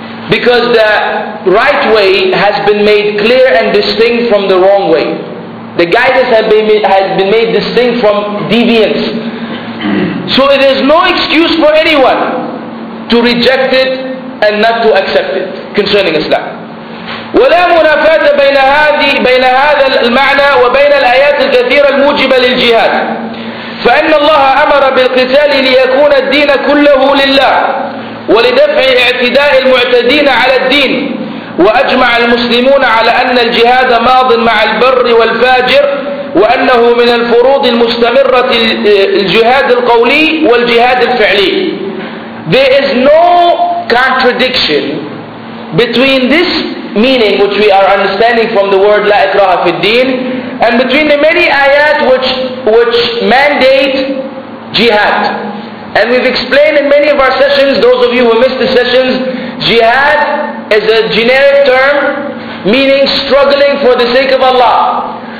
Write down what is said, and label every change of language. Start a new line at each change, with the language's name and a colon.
English: Because the right way has been made clear and distinct from the wrong way. The guidance has been made distinct from deviance. So it is no excuse for anyone to reject it and not to accept it concerning Islam.
Arabic: ولا منافاة بين هذا المعنى وبين الآيات الكثيرة الموجبة للجهاد. فإن الله أمر بالقتال ليكون الدين كله لله ولدفع اعتداء المعتدين على الدين. وأجمع المسلمون على أن الجهاد ماض مع البر والفاجر وأنه من الفروض المستمرة الجهاد القولي والجهاد الفعلي.
English: There is no contradiction between this meaning which we are understanding from the word
Arabic: لا إكراه في الدين
English: and between the many ayat which mandate jihad. And we've explained in many of our sessions, those of you who missed the sessions, jihad is a generic term meaning struggling for the sake of Allah.